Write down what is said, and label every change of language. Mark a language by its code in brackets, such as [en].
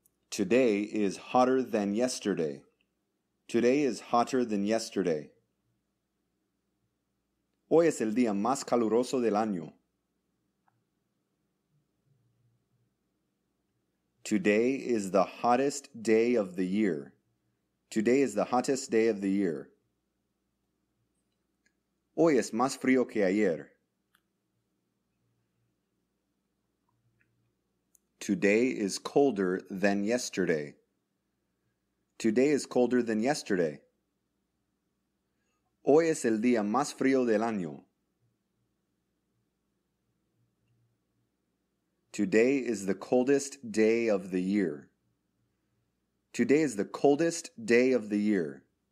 [en] Today is hotter than yesterday. Today is hotter than yesterday. [es] Hoy es el día más caluroso del año. [en] Today is the hottest day of the year. Today is the hottest day of the year. [es] Hoy es más frío que ayer. [en] Today is colder than yesterday. Today is colder than yesterday. [es] Hoy es el día más frío del año. [en] Today is the coldest day of the year. Today is the coldest day of the year.